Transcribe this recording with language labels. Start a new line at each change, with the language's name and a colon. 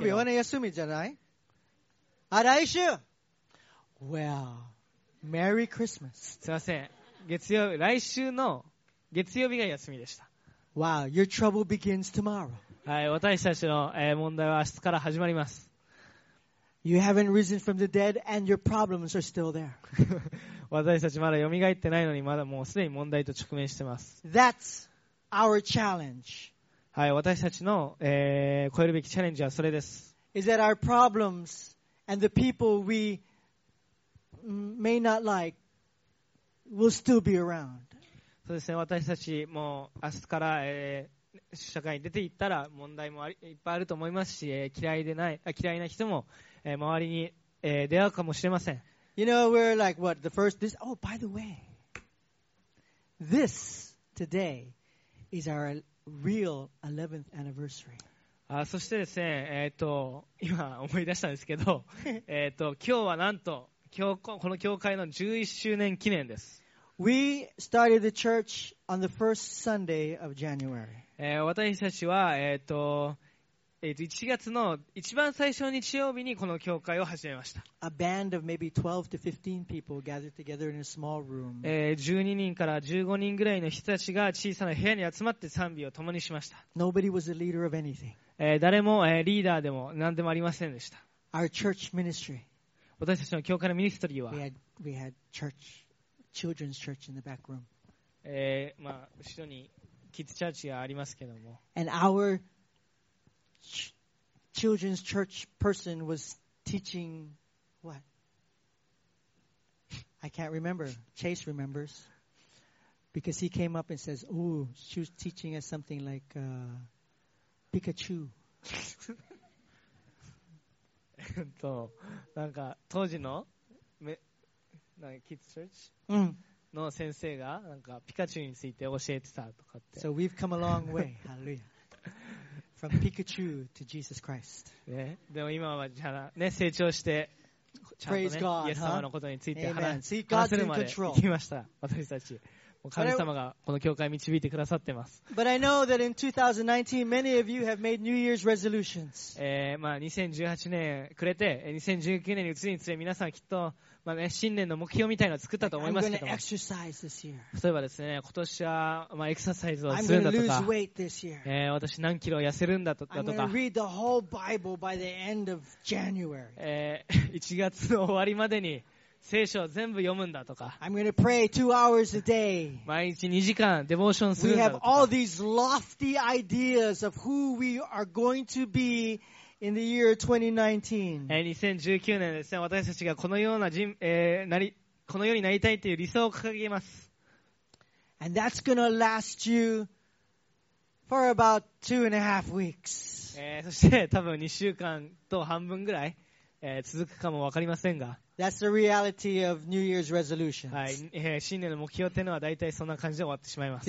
Japanese: 月曜日は休みじゃない？あ、来週。
English: Well, Merry Christmas.
Japanese: すいません。月曜日、来週の月曜日が休みでした。
English: Wow, your trouble begins tomorrow.
Japanese: はい、私たちの、問題は明日から始まります。
English: You haven't risen from the dead and your problems are still there.
Japanese: 私たちまだ蘇ってないのにまだもうすでに問題と直面してます。
English: That's our challenge.
Japanese: はい、私たちの、超えるべきチャレンジはそれです。
English: Is that our problems and the people we may not like will still be around.
Japanese: そうですね、私たちもう明日から、社会に出ていったら問題もいっぱいあると思いますし、嫌いな人も周りに出会うかもしれません。
English: You know, we're like, what, the first, this, oh, by the way, this, today, is our real 11th anniversary.
Japanese: そしてですね、今思い出したんですけど、今日はなんと、この教会の11周年記念です。
English: We started the church on the first Sunday of January.
Japanese: 私たちは、1月の一番最初の日曜日にこの教会を始めました。
English: A band of maybe 12 to 15 people gathered together in a small room.
Japanese: 12人から15人ぐらいの人たちが小さな部屋に集まって賛美を共にしました。
English: Nobody was a leader of anything.
Japanese: 誰もリーダーでも何でもありませんでした。
English: Our church ministry.
Japanese: 私たちの教会のミニストリーは。
English: We had church, children's church in the back room.
Japanese: まあ、後ろにキッズチャーチがありますけども。
English: And ourChildren's church person was teaching what? I can't remember. Chase remembers. Because he came up and says, oh, she was teaching us something like Pikachu.
Japanese: なんか当時のなんかキッズチャーチの先生がなんかピカチュウについて教えてたとかって。
English: So we've come a long way. Hallelujah. From Pikachu to Jesus Christ.
Japanese: ね、でも今はじゃあ、ね、成長して、ちゃんと、ね、
English: God,
Japanese: イエス様のことについて、 huh? 話せるまで行きました、私たち。神様がこの教会を導いてくださってます。
English: But I know that in 2019 many of you have made New Year's resolutions、
Japanese: まあ、2018年くれて2019年に移りにつれ皆さんきっと、まあね、新年の目標みたいなのを作ったと思いますけども、
English: I'm going to exercise this year.
Japanese: 例えばですね今年は、まあ、エクササイズをするんだとか、
English: I'm going to lose weight this year.
Japanese: 私何キロ痩せるんだとか、
English: I'm going to read the whole Bible by the end of January.
Japanese: 1月の終わりまでに聖書を全部読むんだとか、
English: I'm gonna pray 2 hours a day.
Japanese: 毎日2時間デボーションするんだとか、
English: We have all these lofty ideas of who we are going to be in the year 2019.
Japanese: 2019年ですね、私たちがこのような人、このようになりたいという理想を掲げます。
English: And that's gonna last you for about 2.5 weeks.
Japanese: そして多分2週間と半分ぐらい、続くかもわかりませんが、
English: That's the reality of New Year's resolutions.
Japanese: はい、新年の目標というのは大体そんな感じで終わってしまいます。